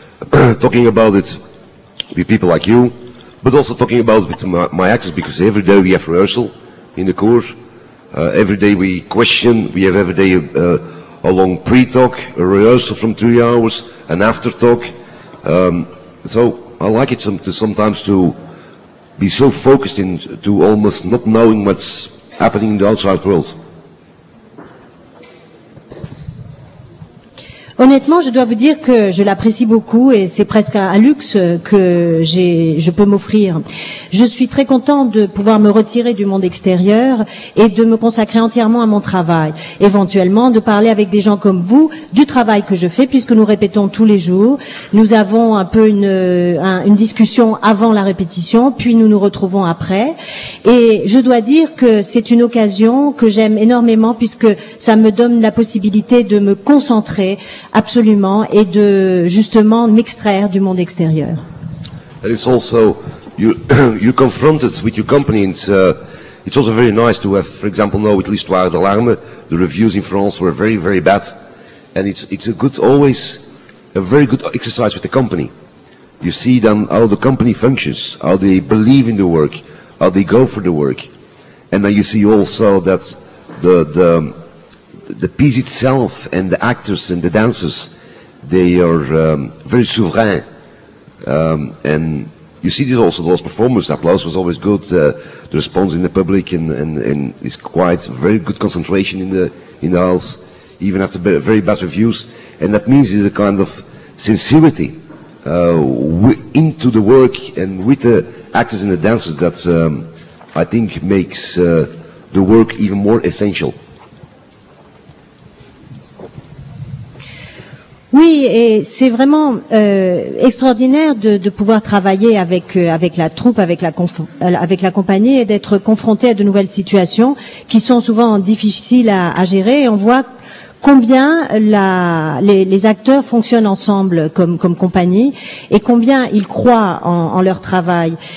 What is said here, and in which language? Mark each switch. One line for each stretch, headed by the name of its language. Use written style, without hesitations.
English: Talking about it with people like you, but also talking about it with my actors, because every day we have rehearsal in the court, every day we question, we have every day a long pre-talk, a rehearsal from 3 hours, an after-talk. So I like it sometimes to be so focused into almost not knowing what's happening in the outside world.
French: Honnêtement, je dois vous dire que je l'apprécie beaucoup et c'est presque un luxe que je peux m'offrir. Je suis très contente de pouvoir me retirer du monde extérieur et de me consacrer entièrement à mon travail. Éventuellement, de parler avec des gens comme vous du travail que je fais, puisque nous répétons tous les jours. Nous avons un peu une discussion avant la répétition, puis nous nous retrouvons après. Et je dois dire que c'est une occasion que j'aime énormément, puisque ça me donne la possibilité de me concentrer absolument et de justement m'extraire du monde extérieur.
English: And it's also you confronted with your company, and it's also very nice to have, for example, now with L'Histoire de l'Arme, the reviews in France were very, very bad, and it's a good, always a very good exercise with the company. You see then how the company functions, how they believe in the work, how they go for the work, and then you see also that the piece itself and the actors and the dancers, they are very souverain. And you see this also, those performers, the applause was always good, the response in the public and is quite very good concentration in the house, even after very bad reviews. And that means there's a kind of sincerity into the work and with the actors and the dancers that I think makes the work even more essential.
French: Oui, et c'est vraiment extraordinaire de pouvoir travailler avec la troupe, avec la compagnie, et d'être confronté à de nouvelles situations qui sont souvent difficiles à gérer. Et on voit combien les acteurs fonctionnent ensemble comme compagnie et combien ils croient en leur travail.